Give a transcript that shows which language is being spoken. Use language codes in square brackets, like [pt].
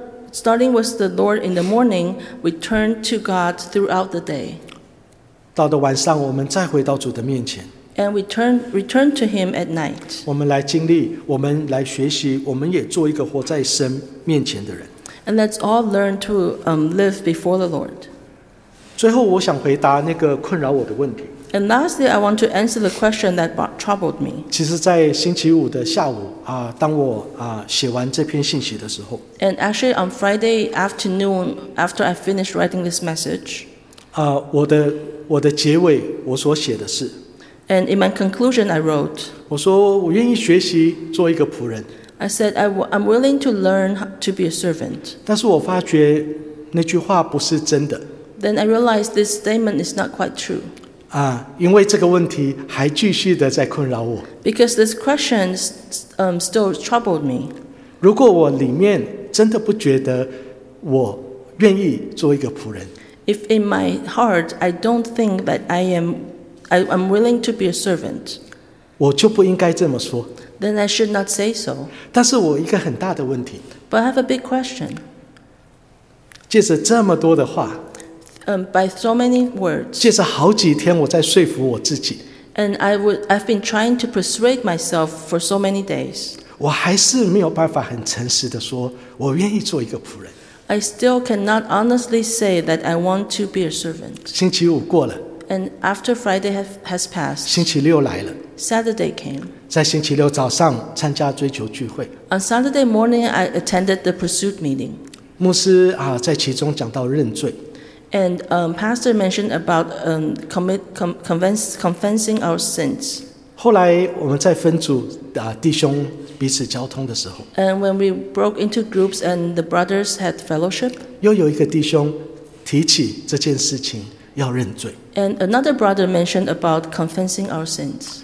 [en] Starting with the Lord in the morning, we turn to God throughout the day. [zh] 到了晚上，我们再回到主的面前。 [en] And we return to him at night. [zh] 我们来经历，我们来学习，我们也做一个活在神面前的人。 [en] And let's all learn to live before the Lord. [zh] 最后，我想回答那个困扰我的问题。 [en] And lastly, I want to answer the question that troubled me. [zh] 其实，在星期五的下午啊，当我啊写完这篇信息的时候。 [en] And actually, on Friday afternoon, after I finished writing this message. [zh] 啊，我的结尾，我所写的是。 [en] And in my conclusion, I wrote, [zh] 我说我愿意学习做一个仆人。 [en] I said, I'm willing to learn to be a servant. [zh] 但是我发觉那句话不是真的。 [en] Then I realized this statement is not quite true. [zh] 啊，因为这个问题还继续的在困扰我。 [en] Because this question still troubled me. [zh] 如果我里面真的不觉得我愿意做一个仆人。 [en] If in my heart, I don't think that I'm willing to be a servant. [zh] 我就不应该这么说。 [en] Then I should not say so. [zh] 但是我一个很大的问题。 [en] But I have a big question. [zh] 借着这么多的话。 [en] By so many words. [zh] 借着好几天我在说服我自己。 [en] And I've been trying to persuade myself for so many days. [zh] 我还是没有办法很诚实地说，我愿意做一个仆人。 [en] I still cannot honestly say that I want to be a servant. [zh] 星期五过了。 [en] And after Friday has passed, [zh] 星期六来了。 [en] Saturday came. [zh] 在星期六早上参加追求聚会。 [en] On Saturday morning, I attended the pursuit meeting. [zh] 牧师啊，在其中讲到认罪。 [en] And pastor mentioned about confessing our sins. [zh] 后来我们在分组啊，弟兄彼此交通的时候。 [en] And when we broke into groups and the brothers had fellowship, [zh] 又有一个弟兄提起这件事情。要认罪。 [en] And another brother mentioned about confessing our sins.